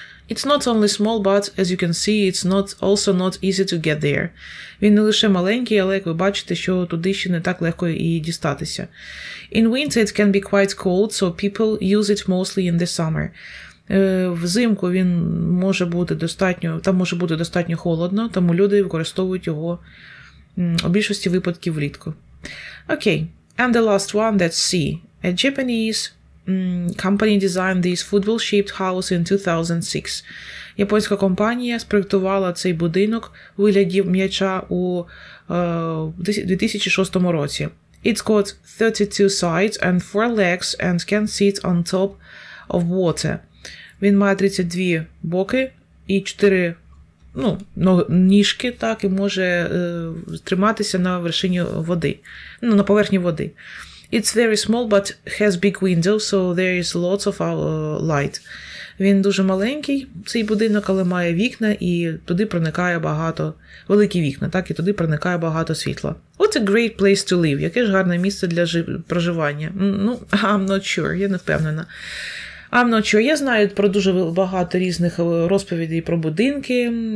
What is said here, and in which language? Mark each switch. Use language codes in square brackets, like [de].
[en] It's not only small, but, as you can see, it's not also not easy to get there. [uk] Він не лише маленький, але, як ви бачите, що туди ще не так легко і дістатися. [en] In winter it can be quite cold, so people use it mostly in the summer. [uk] Взимку він може бути достатньо, там може бути достатньо холодно, тому люди використовують його у більшості випадків влітку. [en] Okay, and the last one, that's C. A Japanese company designed this football-shaped house in 2006. [uk] Японська компанія спроектувала цей будинок у вигляді м'яча у 2006 році. [en] It's got 32 sides and 4 legs and can sit on top of water. [uk] Він має 32 боки і 4 ніжки, так, і може триматися на вершині води, ну, на поверхні води. [en] It's very small, but has big windows, so there is lots of light. [uk] Він дуже маленький, цей будинок, але має вікна, і туди проникає багато, великі вікна, так, і туди проникає багато світла. [en] What a great place to live. [uk] Яке ж гарне місце для проживання. Ну, [en] I'm not sure, [uk] я не впевнена. [en] I'm not sure. [uk] Я знаю про дуже багато різних розповідей про будинки.